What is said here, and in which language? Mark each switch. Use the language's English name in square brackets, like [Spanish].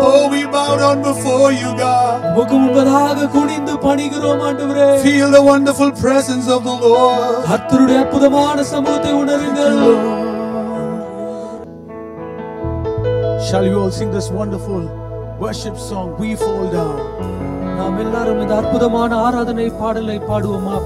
[English] Oh, we bow down before you, God. [Tamil] உமக்கு முன்பதாக குனிந்து பணிகிறோம் ஆண்டவரே. [English] Feel the wonderful presence of the Lord. [Tamil] கர்த்தருடைய அற்புதமான சமூகத்தை உணருங்கள். [English] Shall you all sing this wonderful worship song? We fall down. [Tamil] நாம் எல்லாரும் இந்த அற்புதமான ஆராதனை பாடலை பாடுவோமா?